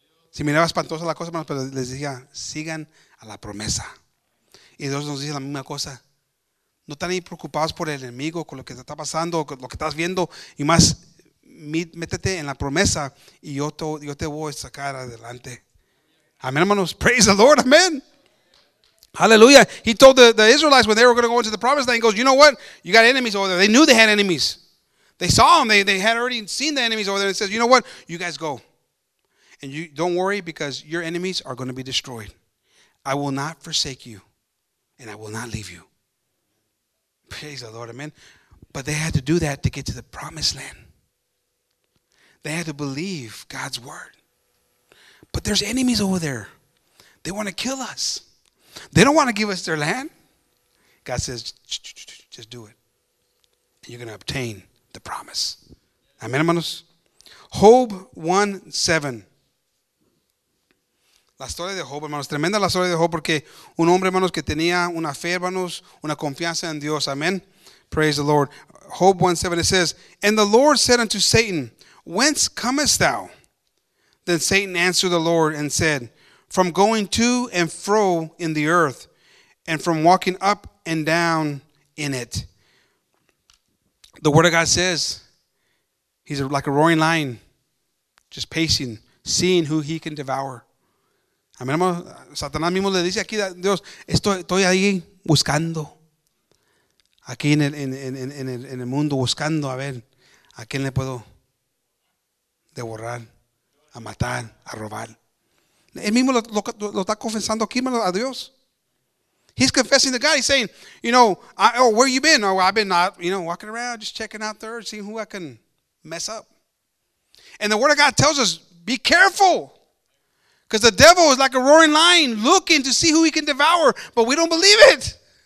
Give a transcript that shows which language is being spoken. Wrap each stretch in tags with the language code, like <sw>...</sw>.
<es>Si miraba espantosa la cosa, hermanos, pero les decía, sigan a la promesa. Y Dios nos dice la misma cosa. No están ahí preocupados por el enemigo, con lo que te está pasando, con lo que estás viendo. Y más, métete en la promesa y yo te voy a sacar adelante.</es> <en>Amén, hermanos. Praise the Lord. Amén. Hallelujah. He told the Israelites when they were going to go into the promised land, he goes, you know what? You got enemies over there. They knew they had enemies. They saw them. They had already seen the enemies over there. And says, you know what? You guys go. And you don't worry, because your enemies are going to be destroyed. I will not forsake you, and I will not leave you. Praise the Lord, amen. But they had to do that to get to the promised land. They had to believe God's word. But there's enemies over there. They want to kill us. They don't want to give us their land. God says, just do it. And you're going to obtain the promise. Amen, hermanos. Job 1:7.</en> <es>La historia de Job, hermanos, tremenda la historia de Job, porque un hombre, hermanos, que tenía una fe, hermanos, una confianza en Dios.</es> <en>Amen. Praise the Lord. Job 1:7, it says, and the Lord said unto Satan, whence comest thou? Then Satan answered the Lord and said, from going to and fro in the earth, and from walking up and down in it. The word of God says, he's like a roaring lion, just pacing, seeing who he can devour.</en> <es>Amén, hermano. Satanás mismo le dice aquí a Dios, estoy ahí buscando, aquí en el mundo, buscando a ver a quién le puedo devorar, a matar, a robar. Él mismo lo está confesando aquí, hermano, a Dios.</es> <en>He's confessing to God. He's saying, you know, where you been? Oh, I've been not, you know, walking around, just checking out there, seeing who I can mess up. And the word of God tells us, be careful. Because the devil is like a roaring lion looking to see who he can devour, but we don't believe it.</en>